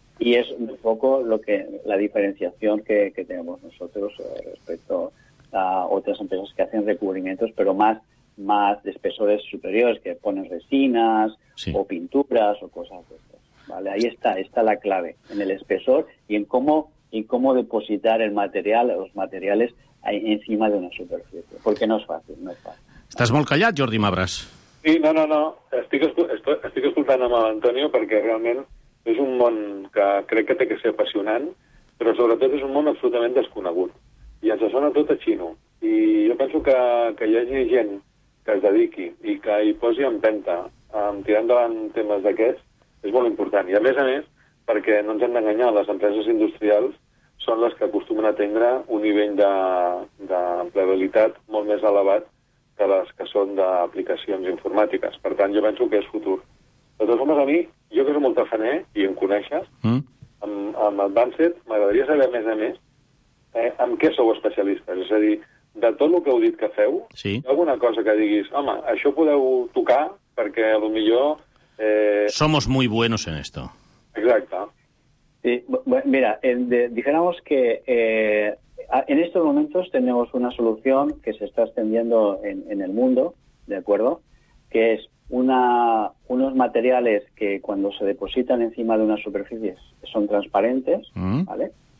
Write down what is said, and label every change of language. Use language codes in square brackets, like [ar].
[es] Y es un poco la diferenciación que tenemos nosotros respecto a otras empresas que hacen recubrimientos, pero más de espesores superiores, que ponen resinas, sí, o pinturas o cosas de estas. ¿Vale? Ahí está la clave, en el espesor y en cómo depositar el material, los materiales ahí encima de una superficie. Porque no es fácil. ¿Estás muy callado, Jordi Mabras? Sí, no. [ca] Estic escoltant amb Antonio perquè realment és un món que crec que té que ser apassionant, però sobretot és un món absolutament desconegut. I ens sona tot a xino. I jo penso que hi hagi gent que es dediqui i que hi posi empenta en tirar endavant temes d'aquests és molt important. I a més, perquè no ens hem d'enganyar, les empreses industrials són les que acostumen a tindre un nivell d'empleabilitat molt més elevat que les que són d'aplicacions informàtiques. Per tant, jo penso que és futur. De totes formes, a mi, jo que soc molt tafaner i em coneixes, amb Advanced m'agradaria saber a més, en què sou especialistes. És a dir, de tot el que heu dit que feu, sí, hi ha alguna cosa que diguis, home, això podeu tocar perquè potser... [es] Somos muy buenos en esto. [ca] Exacte. [es] Sí, mira, dijéramos que en estos momentos tenemos una solución que se está extendiendo en el mundo, ¿de acuerdo? Que es unos materiales que cuando se depositan encima de unas superficies son transparentes, ¿vale?